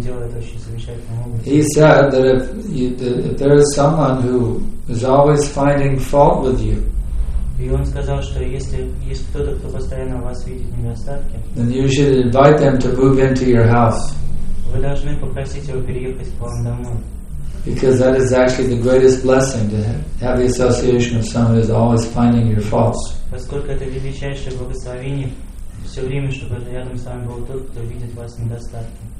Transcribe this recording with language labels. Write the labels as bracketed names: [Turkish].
[English] He said that if there is someone who is always finding fault with you, [Russian] и он сказал, что если есть кто-то, кто постоянно у вас видит недостатки, [English] then you should invite them to move into your house. [Russian] Вы должны попросить его переехать к вам домой. [English] Because that is actually the greatest blessing, to have the association of someone who is always finding your faults. [Russian] Поскольку это величайшее благословение, все время, чтобы рядом с вами был тот, кто видит вас недостатки.